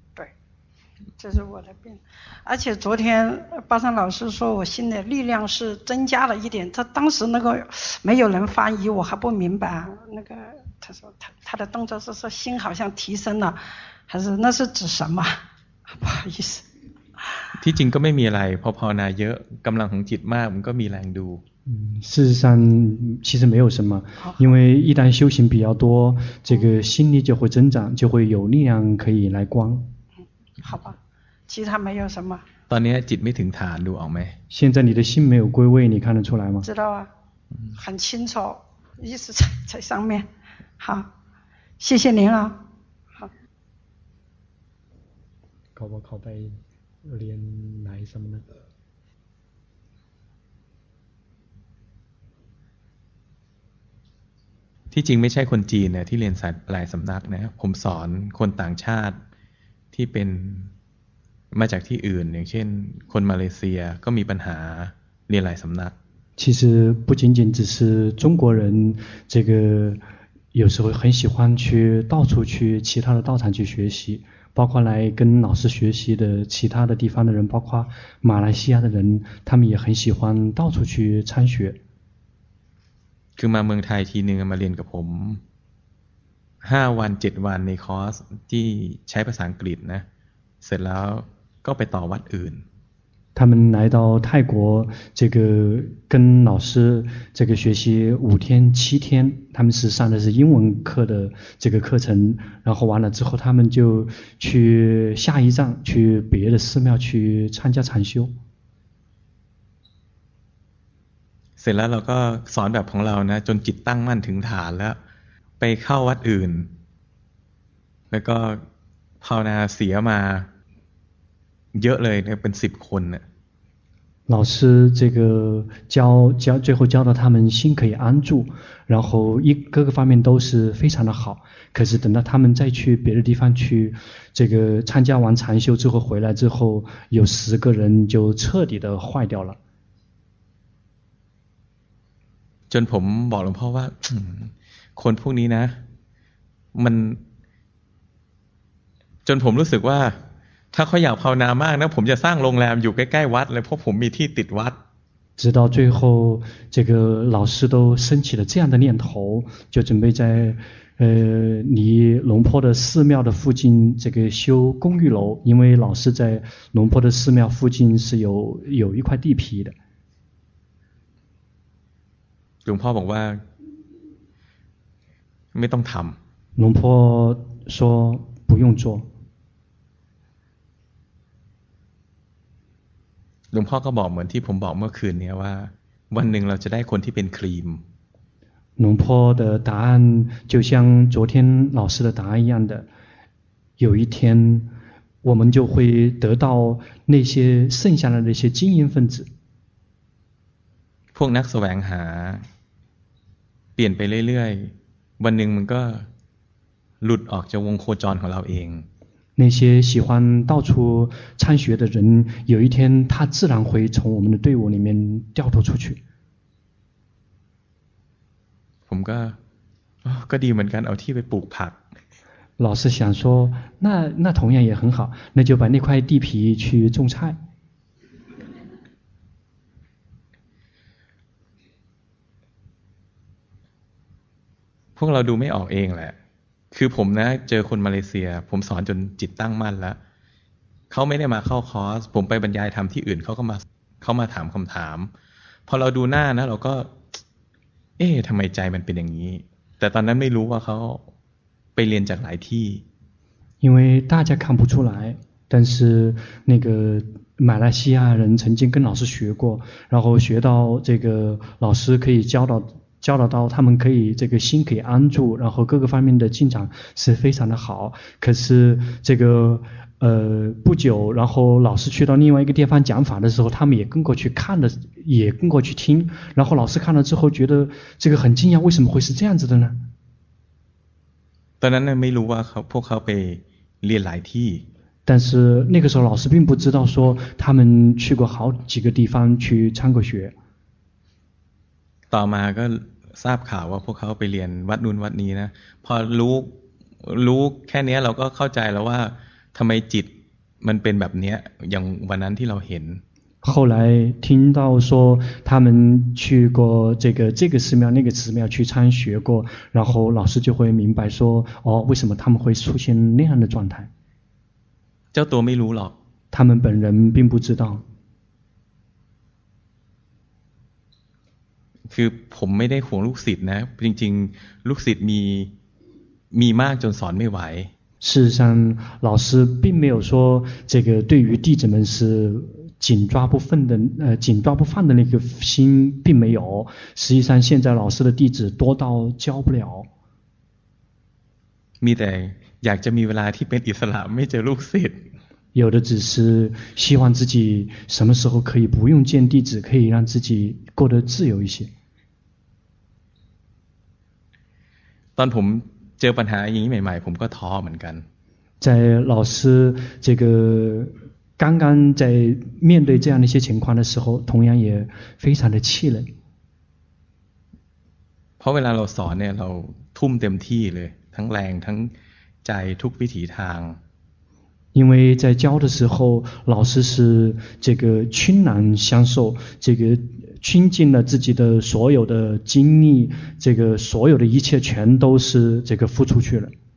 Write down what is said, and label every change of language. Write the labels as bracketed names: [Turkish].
[Chinese] 对，这是我的病。而且昨天巴山老师说我心的力量是增加了一点，他当时那个没有人翻译，我还不明白。那个他说他的动作是说心好像提升了，还是那是指什么？不好意思。 [Thai] ที่จริงก็ไม่มีอะไรพอภาวนาเยอะกำลังของจิตมากมันก็มีแรงดู [Chinese] 事实上其实没有什么因为一旦修行比较多这个心力就会增长就会有力量可以来光好吧其他没有什么 [Thai] ตอนนี้จิตไม่ถึงฐานดูออกไหม [Chinese] 现在你的心没有归位你看得出来吗知道啊很清楚意思 在上面好谢谢您啊好考不考呗连来什么呢？ [Thai] ที่จริงไม่ใช่คนจีนนะที่เรียนสายหลายสำนักนะผมสอนคนต่างชาติที่เป็นมาจากที่อื่นอย่างเช่นคนมาเลเซียก็มีปัญหาเรียนหลายสำนัก [Chinese] 其实不仅仅只是中国人这个有时候很喜欢去到处去其他的道场去学习包括来跟老师学习的其他的地方的人包括马来西亚的人他们也很喜欢到处去参学 [Thai] คือมาเมืองไทยทีนึงมาเรียนกับผม5วัน7วันในคอร์สที่ใช้ภาษาอังกฤษนะเสร็จแล้วก็ไปต่อวัดอื่น [Chinese] 他们来到泰国这个跟老师这个学习五天七天他们是上的是英文课的这个课程然后完了之后他们就去下一站去别的寺庙去参加禅修 [Thai] เสร็จแล้วเราก็สอนแบบของเรานะจนจิตตั้งมั่นถึงฐานแล้วไปเข้าวัดอื่นแล้วก็ภาวนาเสียมาเยอะเลยเป็น10คนน่ [Chinese] ะ老师这个教最后教到他们心可以安住然后一各个方面都是非常的好可是等到他们再去别的地方去这个参加完禅修之后回来之后有10个人就彻底的坏掉了 [Thai] จนผมบอกหลวงพ่อว่าคนพวกนี้นะมันจนผมรู้สึกว่าถ้าเขาอยากภาวนามากนะผมจะสร้างโรงแรมอยู่ใกล้ๆวัดเลยเพราะผมมีที่ติดวัด [Chinese] 直到最后这个老师都升起了这样的念头就准备在离龙坡的寺庙的附近这个修公寓楼因为老师在龙坡的寺庙附近是有一块地皮的 [Thai] หลวงพ่อบอกว่าไม่ต้องทำ [Chinese] 龙坡说不用做 [Thai] หลวงพ่อก็บอกเหมือนที่ผมบอกเมื่อคืนเนี่ยว่าวันหนึ่งเราจะได้คนที่เป็นครีม [Chinese] หลวงพ่อ的答案就像昨天老师的答案一样的有一天我们就会得到那些剩下的那些精英分子 [Thai] พวกนักแสวงหาเปลี่ยนไปเรื่อยๆวันหนึ่งมันก็หลุดออกจากวงโคจรของเราเอง [Chinese] 那些喜欢到处参学的人有一天他自然会从我们的队伍里面掉头出去 [Thai] ผมก็ดีเหมือนกันเอาที่ไปปลูกผัก [Chinese] 老师想说那同样也很好那就把那块地皮去种菜 [Thai] พวกเราดูไม่ออกเองแหละคือผมนะเจอคนมาเลเซียผมสอนจนจิตตั้งมั่นแล้วเขาไม่ได้มาเข้าคอร์สผมไปบรรยายธรรมที่อื่นเขามาถามคำถามพอเราดูหน้านะเราก็เอ๊ะทำไมใจมันเป็นอย่างนี้แต่ตอนนั้นไม่รู้ว่าเขาไปเรียนจากหลายที่ [Chinese] 因为大家看不出来但是那个马来西亚人曾经跟老师学过然后学到这个老师可以教导到他们可以这个心可以安住然后各个方面的进展是非常的好可是这个不久然后老师去到另外一个地方讲法的时候他们也跟过去看了也跟过去听然后老师看了之后觉得这个很惊讶为什么会是这样子的呢当然没 [Thai] รู้ว่าเขาพวกเขาไปเรียนหลายที่ [Chinese] 但是那个时候老师并不知道说他们去过好几个地方去参过学 [Thai] อมาก็ทราบข่าวว่าพวกเขาไปเรียนวัดนู้นวัดนี้นะพอรู้แค่นี้เราก็เข้าใจแล้วว่าทำไมจิตมันเป็นแบบนี้อย่างวันนั้นที่เราเห็น [Chinese] 后来听到说他们去过这个寺庙那个寺庙去参学过然后老师就会明白说哦为什么他们会出现那样的状态叫多没如老他们本人并不知道 [Thai] คือผมไม่ได้ห่วงลูกศิษย์นะจริงๆลูกศิษย์มีมากจนสอนไม่ไหว [Chinese] 事实上老师并没有说这个对于弟子们是紧抓不放的那个心并没有实际上现在老师的弟子多到教不了 [Thai] มีแต่อยากจะมีเวลาที่เป็นอิสระไม่เจอลูกศิษย์ [Chinese] 有的只是希望自己什么时候可以不用见弟子可以让自己过得自由一些 [Thai] ตอนผมเจอปัญหาอย่างนี้ใหม่ๆผมก็ท้อเหมือนกัน [Chinese] 在老师这个刚刚在面对这样的一些情况的时候同样也非常的气馁 [Thai] เพราะเวลาเราสอนเนี่ยเราทุ่มเต็มที่เลยทั้งแรงทั้งใจทุกวิถีทาง [Chinese] 因为在教的时候老师是这个倾囊相授这个倾尽了自己的所有的精力这个所有的一切全都是这个付出去了